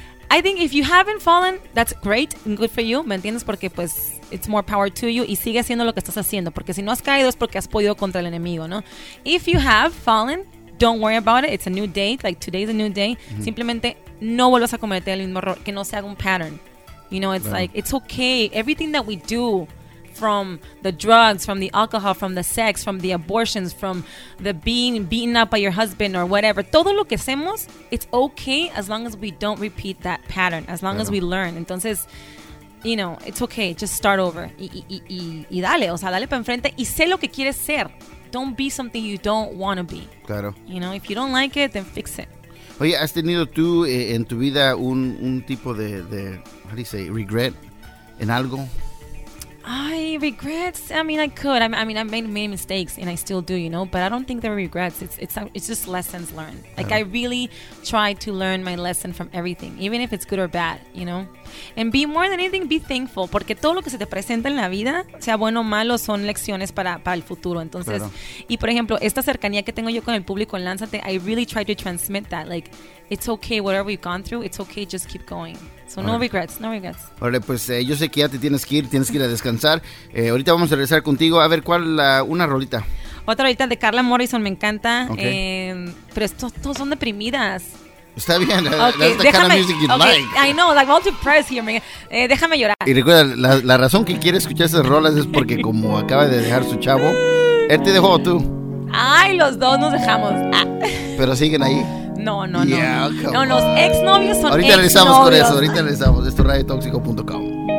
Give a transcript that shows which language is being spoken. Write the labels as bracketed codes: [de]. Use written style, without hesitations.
[en] I think if you haven't fallen, that's great and good for you. [es] ¿Me entiendes? Porque, pues, [en] it's more power to you. [es] Y sigue haciendo lo que estás haciendo. Porque si no has caído es porque has podido contra el enemigo, ¿no? [en] If you have fallen, don't worry about it. It's a new day. Like, today's a new day. Mm-hmm. Simplemente... [es] no vuelvas a cometer el mismo error, que no se haga un pattern. [en] You know, it's like, it's okay. Everything that we do, from the drugs, from the alcohol, from the sex, from the abortions, from the being beaten up by your husband or whatever, [es] todo lo que hacemos, [en] it's okay as long as we don't repeat that pattern, as long as we learn. Entonces, you know, it's okay. Just start over. [es] Y dale, o sea, dale para enfrente y sé lo que quieres ser. [en] Don't be something you don't want to be. [es] Claro. [en] You know, if you don't like it, then fix it. [es] Oye, ¿has tenido tú en tu vida un tipo de [en] how do you say, regret [es] en algo? [en] Ay, regrets. I mean, I could. I made many mistakes, and I still do, you know. But I don't think they're regrets. It's just lessons learned. Like, I really try to learn my lesson from everything, even if it's good or bad, you know. And be more than anything, be thankful. [es] Porque todo lo que se te presenta en la vida, sea bueno o malo, son lecciones para el futuro. Entonces, y por ejemplo, esta cercanía que tengo yo con el público en Lánzate, [en] I really try to transmit that. Like, it's okay, whatever you've gone through, it's okay, just keep going. So no regrets, no regrets. [es] Vale, pues yo sé que ya te tienes que ir a descansar. Ahorita vamos a regresar contigo. A ver, ¿cuál la una rolita? Otra rolita de Carla Morrison, me encanta. Okay. Pero todos son deprimidas. Está bien, [en] okay, that's the kind of music you like. I know, like I'm all depressed here, man. [es] Déjame llorar. Y recuerda, la razón que quiere escuchar esas rolas es porque como acaba de dejar su chavo, él te dejó o tú. Ay, los dos nos dejamos. Pero siguen ahí. No, [en] yeah, [es] no, no. No, los exnovios son exnovios. Ahorita regresamos con eso, ahorita regresamos. Esto es radiotoxico.com.